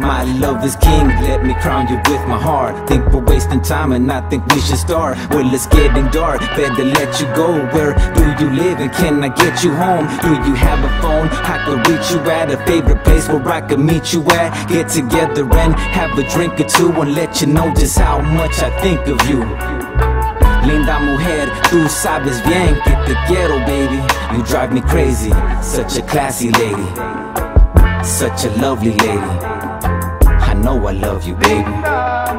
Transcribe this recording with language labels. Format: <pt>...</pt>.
<en>My love is king, let me crown you with my heart. Think we're wasting time and I think we should start. Well, it's getting dark, better let you go. Where do you live and can I get you home? Do you have a phone? I could reach you at a favorite place where I could meet you at. Get together and have a drink or two and let you know just how much I think of you.</en> <es>Linda mujer, tú sabes bien que te quiero, baby.</es> <en>You drive me crazy, such a classy lady, such a lovely lady. I know I love you, baby.</en>